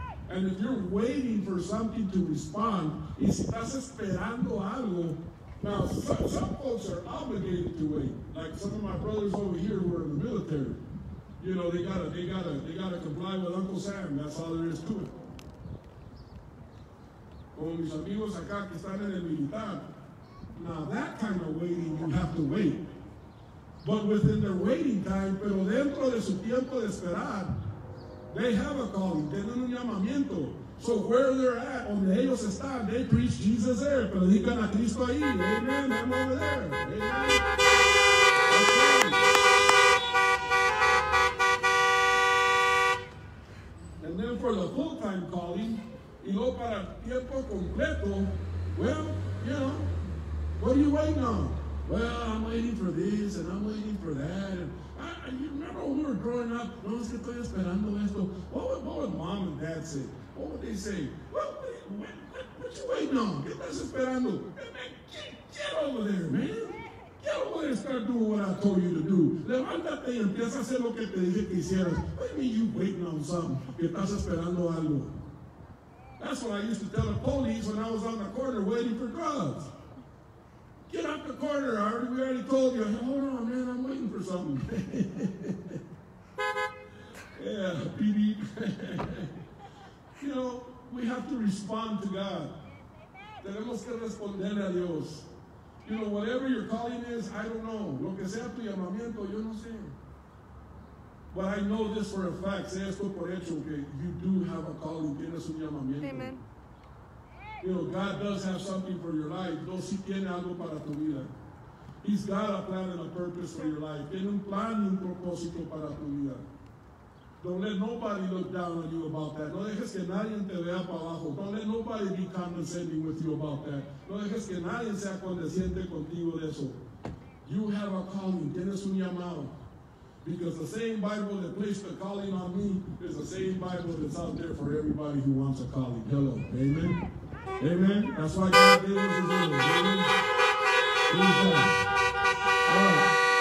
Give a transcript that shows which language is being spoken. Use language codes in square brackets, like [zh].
[en] And if you're waiting for something to respond, [es] y si estás esperando algo. [en] Now, some folks are obligated to wait. Like some of my brothers over here who are in the military. You know, they gotta comply with Uncle Sam. That's all there is to it. [es] Como mis amigos acá que están en el militar. [en] Now, that kind of waiting, you have to wait. But within their waiting time, [es] pero dentro de su tiempo de esperar, [en] they have a calling, [es] tienen un llamamiento. [en] So where they're at, [es] donde ellos están, [en] they preach Jesus there. [es] Predican a Cristo ahí. [en] Amen. I'm over there. Amen. Okay. And then for the full-time calling, [es] y luego para tiempo completo, [en] well, you know, what are you waiting on? Well, I'm waiting for this, and I'm waiting for that. And you remember when we were growing up, [es] no es que estoy esperando esto. [en] What would mom and dad say? What would they say? What you waiting on? [es] ¿Qué estás esperando? [en] Get over there, man. Get over there and start doing what I told you to do. [es] Levántate y empieza a hacer lo que te dije que hicieras. [en] What do you mean you waiting on something? [es] ¿Qué estás esperando algo? [en] That's what I used to tell the police when I was on the corner waiting for drugs. Get out the corner. We already told you. Hold on, man. I'm waiting for something. Yeah, beep, beep. You know, we have to respond to God. [es] Tenemos que responder a Dios. [en] You know, whatever your calling is, I don't know. [es] Lo que sea tu llamamiento, yo no sé. [en] But I know this for a fact. [es] Sé esto por hecho, que [en] you do have a calling. [es] Tienes un llamamiento. [en] Amen. You know, God does have something for your life. [es] Dios sí tiene algo para tu vida. [en] He's got a plan and a purpose for your life. [es] Tiene un plan y un propósito para tu vida. [en] Don't let nobody look down on you about that. [es] No dejes que nadie te vea para abajo. [en] Don't let nobody be condescending with you about that. [es] No dejes que nadie sea condescendiente contigo de eso. [en] You have a calling. [es] Tienes un llamado. [en] Because the same Bible that placed a calling on me is the same Bible that's out there for everybody who wants a calling. Hello. Amen. Amen. That's why God gave us His own. Amen.